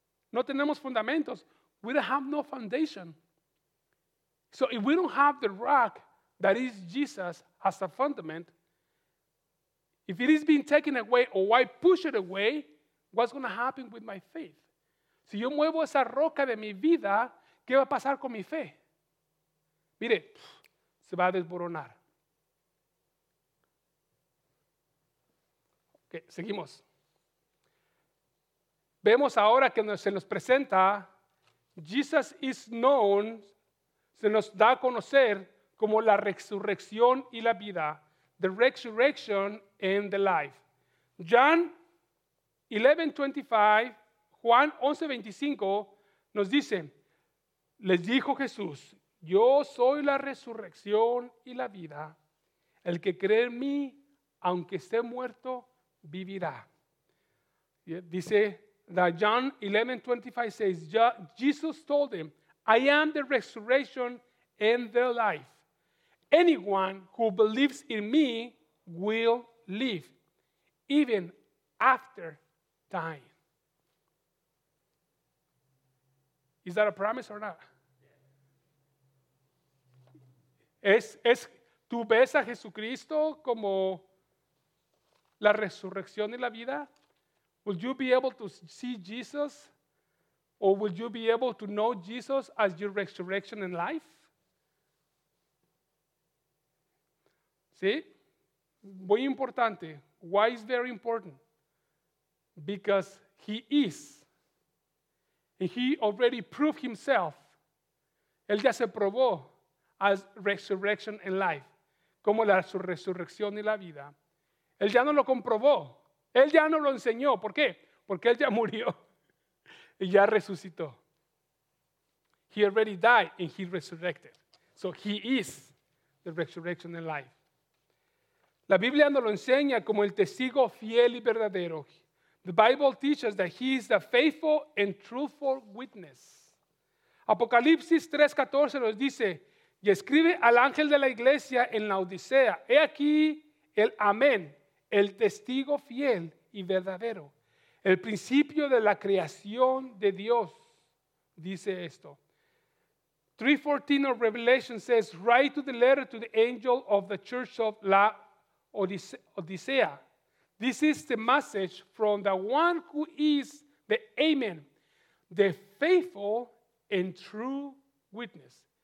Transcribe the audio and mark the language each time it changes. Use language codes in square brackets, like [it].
[es] No tenemos fundamentos. [en] We don't have no foundation. So if we don't have the rock that is Jesus as a fundament, if it is being taken away or I push it away, what's going to happen with my faith? [es] Si yo muevo esa roca de mi vida, ¿qué va a pasar con mi fe? Mire, se va a desboronar. Ok, seguimos. Vemos ahora que se nos presenta, [en] Jesus is known, [es] se nos da a conocer como la resurrección y la vida. [en] The resurrection and the life. John 11:25. [es] Juan 11:25 nos dice, les dijo Jesús, yo soy la resurrección y la vida. El que cree en mí, aunque esté muerto, vivirá. [en] Dice that John 11:25 says, Jesus told him, I am the resurrection and the life. Anyone who believes in me will live, even after dying. Is that a promise or not? [es] Es tú ves a Jesucristo como la resurrección y la vida? [en] Will you be able to see Jesus, or will you be able to know Jesus as your resurrection and life? [es] ¿Sí? Muy importante. [en] Why is very important? Because he is. And he already proved himself. [es] Él ya se probó [en] as resurrection and life. [es] Como la resurrección y la vida. Él ya no lo comprobó. Él ya no lo enseñó. ¿Por qué? Porque él ya murió y ya resucitó. [en] He already died and he resurrected. So he is the resurrection and life. [es] La Biblia nos lo enseña como el testigo fiel y verdadero. [en] The Bible teaches that he is the faithful and truthful witness. [es] Apocalipsis 3:14 nos dice, y escribe al ángel de la iglesia en la Laodicea, he aquí el amén, el testigo fiel y verdadero, el principio de la creación de Dios, dice esto. [en] 3:14 of Revelation says, write to the letter to the angel of the church of la Odisea. This is the message from the one who is the amen, the faithful and true witness.